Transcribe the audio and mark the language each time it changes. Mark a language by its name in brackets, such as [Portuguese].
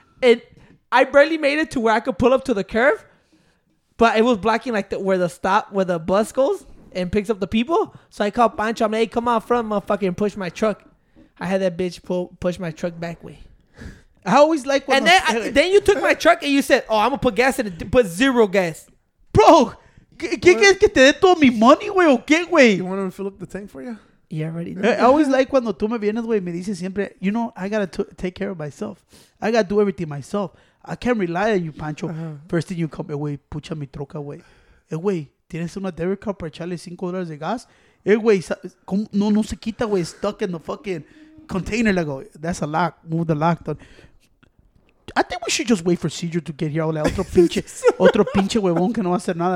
[English] And I barely made it to where I could pull up to the curve, but it was blocking like where the bus goes and picks up the people. So I called Pancho. I'm like, hey, come out front, motherfucker, and push my truck. I had that bitch push my truck back way. I always like when. And then you took my truck and you said, oh, I'm going to put gas in it, but zero gas. [Spanish] Bro, ¿qué es que te dé todo mi money, güey, o qué, güey? [English] You want to fill up the tank for you? Yeah, ready. I always like cuando tú me vienes, güey, me dices siempre, you know, I got to take care of myself. I got to do everything myself. I can't rely on you, Pancho. Uh-huh. First thing you come, güey, pucha mi troca, güey. [Spanish] Güey, tienes una debit card para echarle $5 de gas? Güey, no se quita, güey, stuck in the fucking container. [English] Like, oh, that's a lock. Move the lock. Done. I think we should just wait for Cedro to get here. [Spanish] Otro pinche huevón que no va a hacer nada.